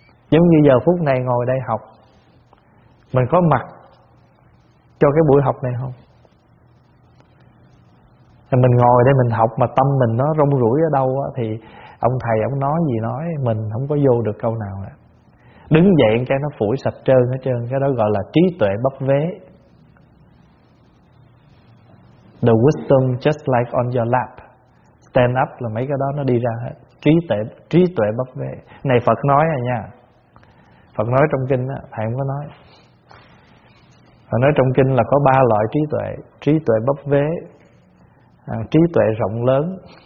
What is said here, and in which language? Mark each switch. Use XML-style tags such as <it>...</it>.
<vi>Giống như giờ phút này ngồi đây học, mình có mặt cho cái buổi học này không? Mình ngồi đây mình học mà tâm mình nó rong ruổi ở đâu á, thì ông thầy ông nói gì nói mình không có vô được câu nào nữa. Đứng dậy cái nó phủi sạch trơn hết trơn. Cái đó gọi là trí tuệ bấp vế.</vi> <en>The wisdom just like on your lap. Stand up</en> <vi>là mấy cái đó nó đi ra hết. Trí tuệ bấp vế. Này Phật nói à nha, Phật nói trong kinh á, thầy không có nói. Phật nói trong kinh là có ba loại trí tuệ: trí tuệ bấp vế, trí tuệ rộng lớn.</vi>